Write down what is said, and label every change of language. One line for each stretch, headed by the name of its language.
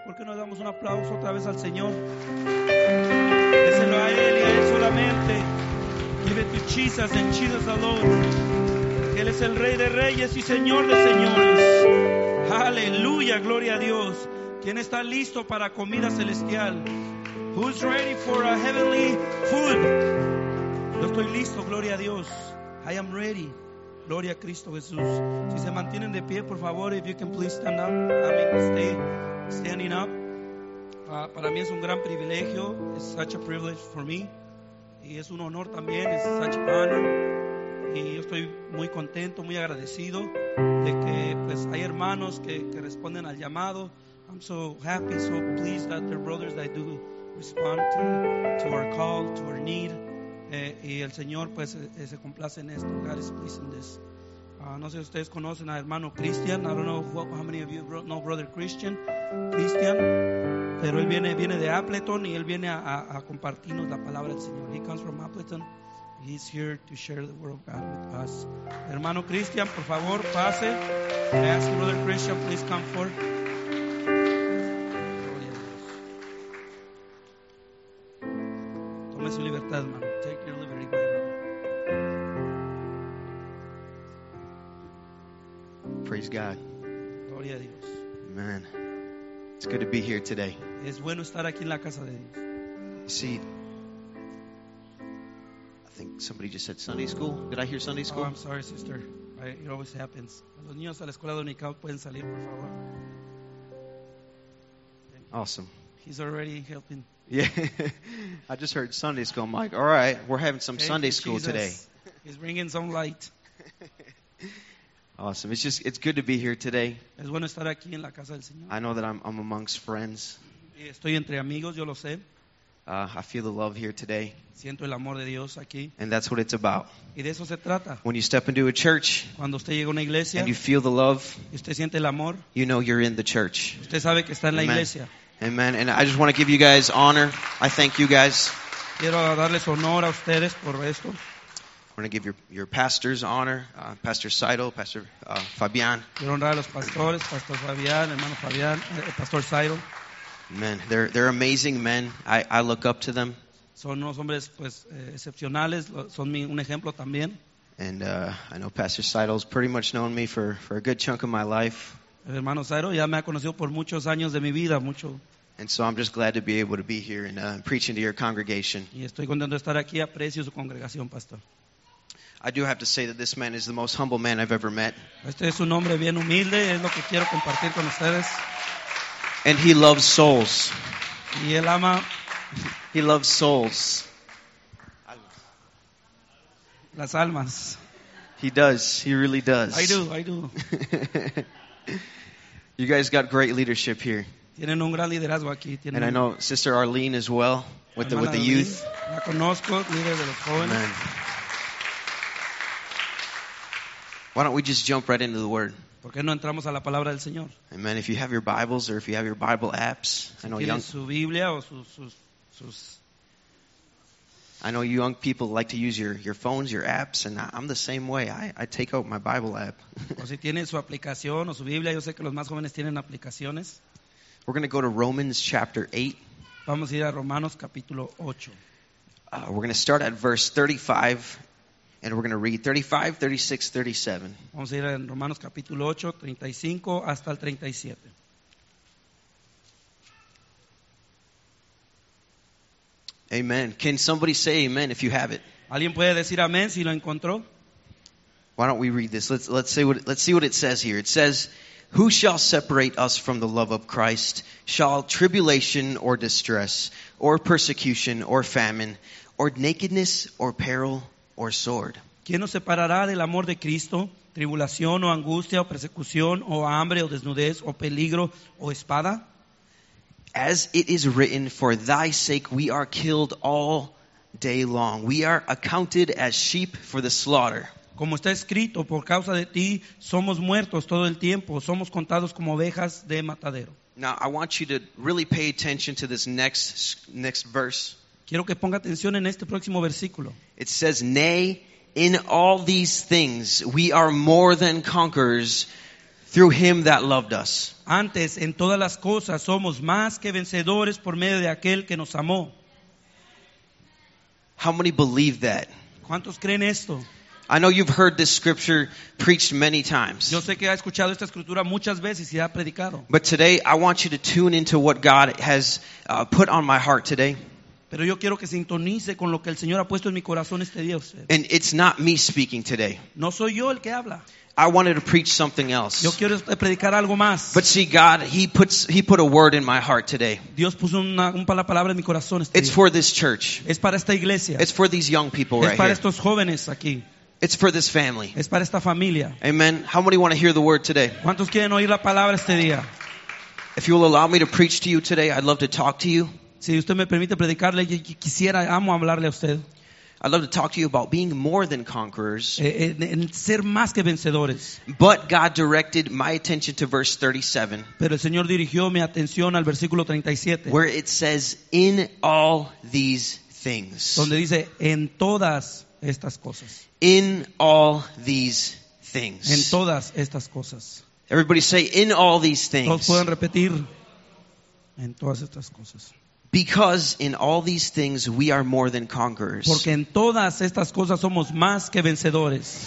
Spanish: ¿Por qué no damos un aplauso otra vez al Señor? Déselo a Él y a Él solamente.
English: Give it to Jesus and Jesus alone.
Spanish: Él es el Rey de Reyes y Señor de Señores. Aleluya, gloria a Dios. ¿Quién está listo para comida celestial?
English: Who's ready for a heavenly food?
Spanish: Yo estoy listo, gloria a Dios.
English: I am ready.
Spanish: Gloria a Cristo Jesús. Si se mantienen de pie, por favor,
English: if you can please stand up. I mean, stay standing up.
Spanish: Para mí es un gran privilegio.
English: It's such a privilege for me.
Spanish: Y es un honor también.
English: It's such an honor.
Spanish: Y yo estoy muy contento, muy agradecido de que pues hay hermanos que responden al llamado.
English: I'm so happy, so pleased that there are brothers that do respond to our call, to our need.
Spanish: Y el Señor pues se complace en esto.
English: God is pleased in this.
Spanish: No sé si ustedes conocen a hermano Christian.
English: I don't know how many of you know brother Christian.
Spanish: Pero él viene de Appleton y él viene a compartirnos la palabra del Señor.
English: He comes from Appleton. He's here to share the word of God with us.
Spanish: Hermano Christian, por favor, pase.
English: I ask brother Christian, please come forward.
Spanish: Tome su libertad, hermano.
English: Take your liberty, my brother. Praise God.
Spanish: Gloria a Dios.
English: Amen. It's good to be here today.
Spanish: Es bueno estar aquí en la casa de Dios.
English: See, I think somebody just said Sunday school. Did I hear Sunday school? Oh, I'm sorry, sister. It always happens.
Spanish: Los niños a la escuela dominical pueden salir, por favor.
English: Awesome. He's already helping. Yeah, I just heard Sunday school. I'm like, all right, we're having some Sunday school today. He's bringing some light. Awesome. It's good to be here today.
Spanish: Es bueno estar aquí en la casa del Señor.
English: I know that I'm amongst friends.
Spanish: Estoy entre amigos, yo lo sé.
English: I feel the love here today.
Spanish: Siento el amor de Dios aquí.
English: And that's what it's about.
Spanish: Y de eso se trata.
English: When you step into a church,
Spanish: cuando usted llega a una iglesia,
English: and you feel the love,
Spanish: y usted siente el amor,
English: you know you're in the church.
Spanish: Usted sabe que está en Amen. La iglesia. Amen.
English: And I just want to give you guys honor. I thank you guys.
Spanish: Quiero darles honor a ustedes por esto.
English: I want to give your pastors honor. Pastor Seidel, Pastor Fabian.
Spanish: Quiero honrar a los pastores, Pastor Fabian, hermano Fabian, Pastor Seidel.
English: Amen. They're amazing men. I look up to them.
Spanish: Son unos hombres pues excepcionales. Son un ejemplo también.
English: And I know Pastor Seidel's pretty much known me for a good chunk of my life.
Spanish: El hermano Zairo ya me ha conocido por muchos años de mi vida, mucho.
English: And so I'm just glad to be able to be here and preaching to your congregation.
Spanish: Y estoy contento de estar aquí, aprecio su congregación, pastor.
English: I do have to say that this man is the most humble man I've ever met.
Spanish: Este es un hombre bien humilde, es lo que quiero compartir con ustedes.
English: And he loves souls.
Spanish: Y él ama.
English: He loves souls.
Spanish: Las almas.
English: He does. He really does. I do. You guys got great leadership here.
Spanish: Tienen un gran liderazgo aquí. Tienen
English: and I know Sister Arlene as well with the youth.
Spanish: La conozco, líder de los jóvenes. Amen.
English: Why don't we just jump right into the word?
Spanish: ¿Por qué no entramos a la palabra del Señor? Amen.
English: If you have your Bibles or if you have your Bible apps,
Spanish: si
English: I know young
Spanish: su Biblia o sus
English: I know young people like to use your phones, your apps, and I'm the same way. I take out my Bible app.
Spanish: O si tiene su aplicación o su Biblia, yo sé que los más jóvenes tienen aplicaciones.
English: We're going to go to Romans chapter 8.
Spanish: Vamos a ir a Romanos capítulo 8.
English: We're going to start at verse 35, and we're going to read 35, 36, 37.
Spanish: Vamos a ir en Romanos capítulo 8, 35 hasta el 37. Amen.
English: Can somebody say amen if you have it?
Spanish: ¿Alguien puede decir amén si lo encontró?
English: Why don't we read this? Let's see what it says here. It says, "Who shall separate us from the love of Christ? Shall tribulation or distress or persecution or famine or nakedness or peril or sword?"
Spanish: ¿Quién nos separará del amor de Cristo? ¿Tribulación o angustia o persecución o hambre o desnudez o peligro o espada?
English: As it is written, for thy sake we are killed all day long. We are accounted as sheep for the slaughter.
Spanish: Como está escrito, por causa de ti somos muertos todo el tiempo. Somos contados como ovejas de matadero.
English: Now I want you to really pay attention to this next verse.
Spanish: Quiero que ponga atención en este próximo versículo.
English: It says, nay, in all these things we are more than conquerors through him that loved us.
Spanish: Antes, en todas las cosas, somos más que vencedores por medio de aquel que nos amó.
English: How many believe that?
Spanish: ¿Cuántos creen esto?
English: I know you've heard this scripture preached many times.
Spanish: Yo sé que ha escuchado esta escritura muchas veces y ha predicado.
English: But today, I want you to tune into what God has put on my heart today.
Spanish: Pero yo quiero que sintonice con lo que el Señor ha puesto en mi corazón este día.
English: And it's not me speaking today.
Spanish: No soy yo el que habla.
English: I wanted to preach something else.
Spanish: Yo quiero predicar algo más.
English: But see, God, he put a word in my heart today.
Spanish: Dios puso una palabra en mi corazón este día.
English: It's for this church.
Spanish: Es para esta iglesia.
English: It's for these young people
Spanish: es
English: right
Spanish: para
English: here.
Spanish: Estos jóvenes aquí.
English: It's for this family.
Spanish: Es para esta familia. Amen.
English: How many want to hear the word today?
Spanish: ¿Cuántos quieren oír la palabra este día?
English: If you will allow me to preach to you today, I'd love to talk to you.
Spanish: Si usted me permite predicarle, yo quisiera, amo hablarle a usted.
English: I'd love to talk to you about being more than conquerors.
Spanish: En ser más que vencedores.
English: But God directed my attention to verse 37.
Spanish: Pero el Señor dirigió mi atención al versículo 37.
English: Where it says, in all these things.
Spanish: Donde dice, en todas estas cosas.
English: In all these things.
Spanish: En todas estas cosas.
English: Everybody say, in all these things.
Spanish: Todos pueden repetir, en todas estas cosas.
English: Because in all these things we are more than conquerors.
Spanish: Porque en todas estas cosas somos más que vencedores.